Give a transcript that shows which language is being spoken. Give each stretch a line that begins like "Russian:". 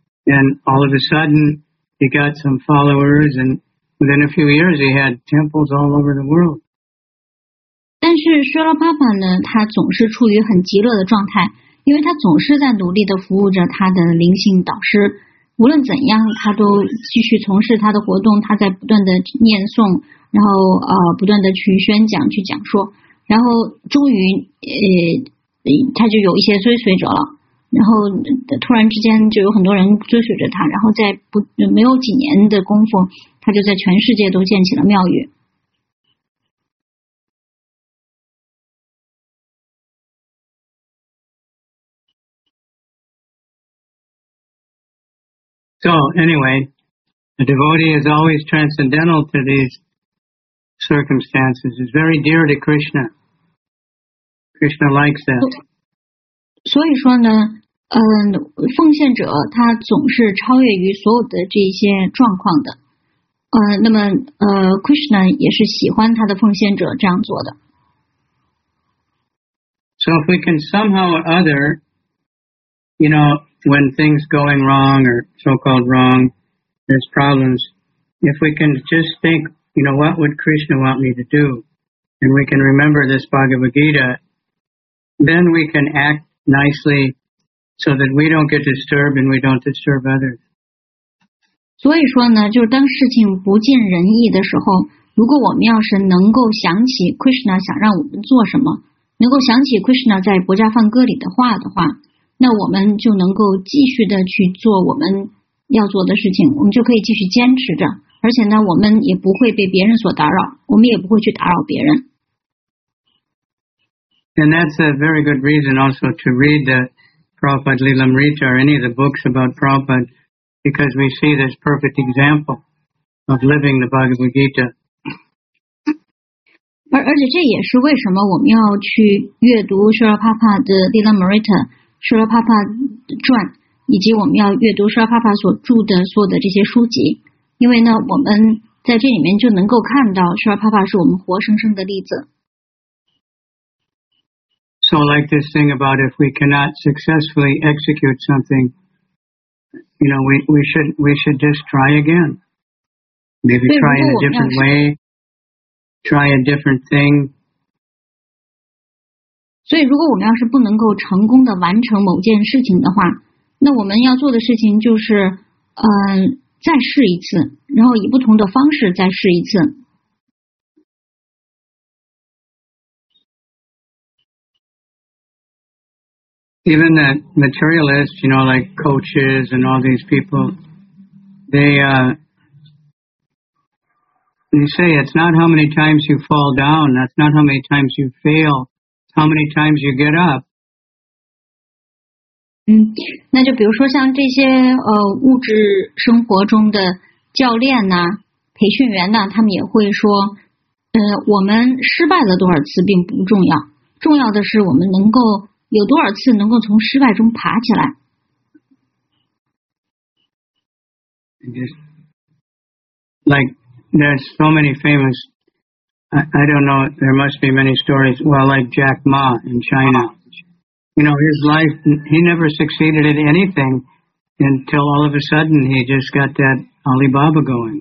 English: And all of a sudden, he got some followers, and within a few years, he had temples all over the world.
Chinese: 但是舍勒帕帕呢，他总是处于很极乐的状态，因为他总是在努力地服务着他的灵性导师。无论怎样，他都继续从事他的活动，他在不断地念诵，然后不断地去宣讲，去讲说。然后终于他就有一些追随者了，然后突然之间就有很多人追随着他，然后在没有几年的功夫，他就在全世界都建起了庙宇。
English: So anyway, a devotee is always transcendental to these circumstances. It's very dear to Krishna. Krishna likes that.
Chinese: 所以说呢，奉献者他总是超越于所有的这些状况的。那么Krishna 也是喜欢他的奉献者这样做的。
English: So if we can somehow or other, you know, when things going wrong or so-called wrong, there's problems. If we can just think, you know, what would Krishna want me to do, and we can remember this Bhagavad Gita. Then we can act nicely so that we don't get disturbed and we don't disturb others.
Chinese: 所以说呢，就是当事情不尽人意的时候，如果我们要是能够想起 Krishna 想让我们做什么，能够想起 Krishna 在《薄伽梵歌》里的话的话，那我们就能够继续的去做我们要做的事情，我们就可以继续坚持着，而且呢，我们也不会被别人所打扰，我们也不会去打扰别人。
English: And that's a very good reason also to read the Prabhupada Lilamrita or any of the books about Prabhupada because we see this perfect example of living the Bhagavad Gita.
Chinese: 而且这也是为什么我们要去阅读舍勒帕帕的 Lilamrita, 舍勒帕帕传以及我们要阅读舍勒帕帕所著的所有的这些书籍。因为呢我们在这里面就能够看到舍勒帕帕是我们活生生的例子。
English: So like this thing about if we cannot successfully execute something, you know, we should just try again. Maybe try in a different way, try a different thing.
Chinese: 所以如果我们要是不能够成功的完成某件事情的话，那我们要做的事情就是再试一次，然后以不同的方式再试一次。
English: Even the materialists, you know, like coaches and all these people, they say it's not how many times you fall down, that's not how many times you fail, it's how many times you get up.
Chinese: 那就比如说像这些物质生活中的教练呢、培训员呢，他们也会说，我们失败了多少次并不重要，重要的是我们能够。有多少次能够从失败中爬起来？
English: Like there's so many famous, I don't know, there must be many stories. Well, like Jack Ma in China, you know, his life, he never succeeded at anything until all of a sudden he just got that Alibaba going.